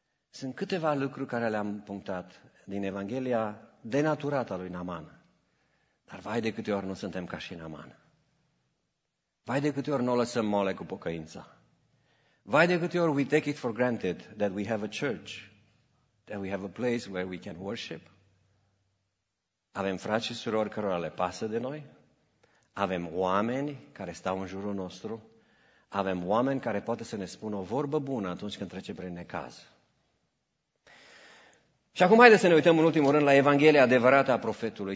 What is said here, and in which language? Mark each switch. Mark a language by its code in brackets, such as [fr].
[ro] Sunt câteva lucruri care le-am punctat din Evanghelia denaturată a lui Naaman. Dar vai de câte ori nu suntem ca și Naaman. Vai de câte ori nu o lăsăm mole cu pocăința. Vai de câte ori [en] we take it for granted that we have a church, that we have a place where we can worship. [ro] Avem frați și surori cărora le pasă de noi. Avem oameni care stau în jurul nostru. Avem oameni care poate să ne spună o vorbă bună atunci când trece prin necaz. Și acum haideți să ne uităm în ultimul rând la Evanghelia adevărată a profetului.